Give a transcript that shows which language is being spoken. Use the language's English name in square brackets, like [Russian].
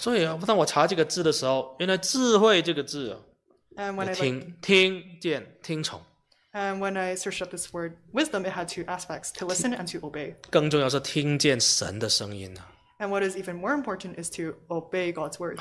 [Chinese] 所以啊，当我查这个字的时候，原来智慧这个字啊，听见听从。 [English] And when I searched up this word wisdom, it had two aspects: to listen and to obey. [Chinese] 更重要是听见神的声音呢。 [English] And what is even more important is to obey God's words.